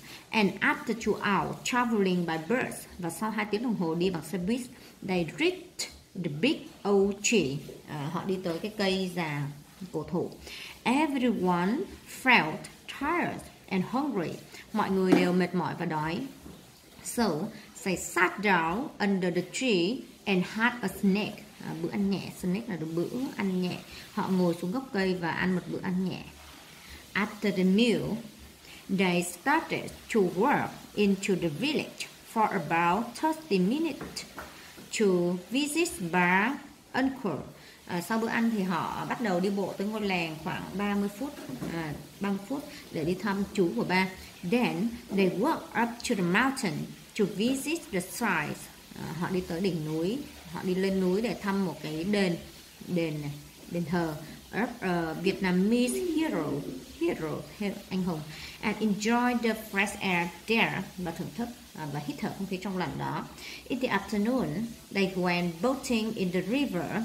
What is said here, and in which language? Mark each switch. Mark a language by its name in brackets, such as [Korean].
[English] And after 2 hours traveling by bus, [Vietnamese] và sau 2 tiếng đồng hồ đi bằng xe buýt, [English] they reached the big old tree. [Vietnamese] Họ đi tới cái cây già cổ thụ. [English] Everyone felt tired and hungry. [Vietnamese] Mọi người đều mệt mỏi và đói. [English] So they sat down under the tree and had a snack. [Vietnamese] Bữa ăn nhẹ. Snack là bữa ăn nhẹ. Họ ngồi xuống gốc cây và ăn một bữa ăn nhẹ. [English] After the meal, they started to walk into the village for about 30 minutes to visit Bar's uncle. [Vietnamese] Sau bữa ăn thì họ bắt đầu đi bộ tới ngôi làng khoảng 30 phút, 30 phút để đi thăm chú của ba. [English] Then they walk up to the mountain to visit the shrine. [Vietnamese] Họ đi tới đỉnh núi, họ đi lên núi để thăm một cái đền, đền này, đền thờ. [English] Vietnamese hero, [Vietnamese] anh hùng. [English] And enjoy the fresh air there, [Vietnamese] và thưởng thức và hít thở không khí trong lành đó. [English] In the afternoon, they went boating in the river.